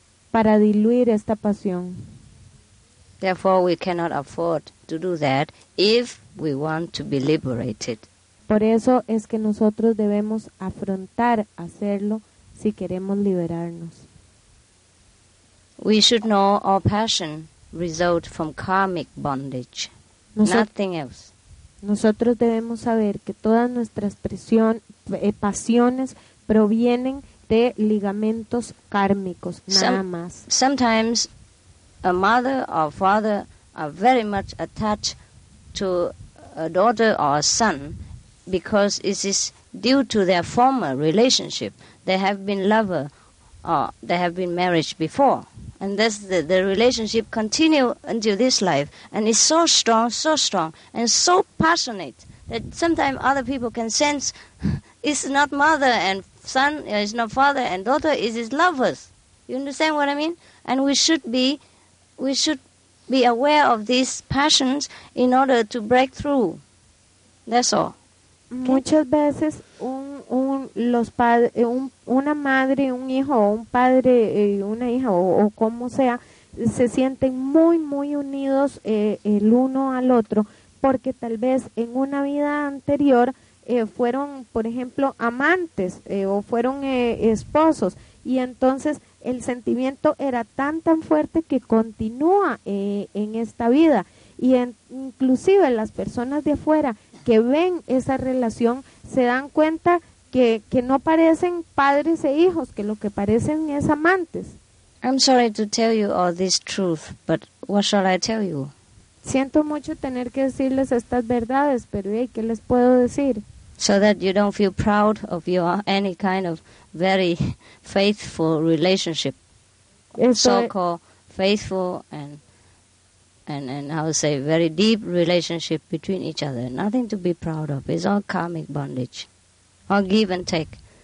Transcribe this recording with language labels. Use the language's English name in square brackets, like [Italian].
[Spanish] Para diluir esta pasión. [English] Therefore, we cannot afford to do that if we want to be liberated. [Spanish] Por eso es que nosotros debemos afrontar hacerlo si queremos liberarnos. [English] We should know our passion result from karmic bondage. Nothing else. [Spanish] Nosotros debemos saber que todas nuestras pasiones provienen de ligamentos kármicos, nada más. [English] Sometimes a mother or father are very much attached to a daughter or a son because it is due to their former relationship. They have been lover or they have been married before. And that's the relationship continue until this life. And it's so strong, and so passionate that sometimes other people can sense it's not mother and son, it's not father and daughter, it is lovers. You understand what I mean? And we should be aware of these passions in order to break through. That's all. [Spanish] Muchas veces una madre, un hijo, un padre, una hija o como sea, se sienten muy, muy unidos el uno al otro porque tal vez en una vida anterior fueron, por ejemplo, amantes o fueron esposos y entonces el sentimiento era tan, tan fuerte que continúa en esta vida. Y inclusive las personas de afuera que ven esa relación se dan cuenta que no parecen padres e hijos, que lo que parecen es amantes. [English] I'm sorry to tell you all this truth, but what shall I tell you? [Spanish] Siento mucho tener que decirles estas verdades, pero hey, ¿qué les puedo decir? [English] So that you don't feel proud of your any kind of very faithful relationship, so-called faithful and I would say very deep relationship between each other. Nothing to be proud of. It's all karmic bondage, all give and take.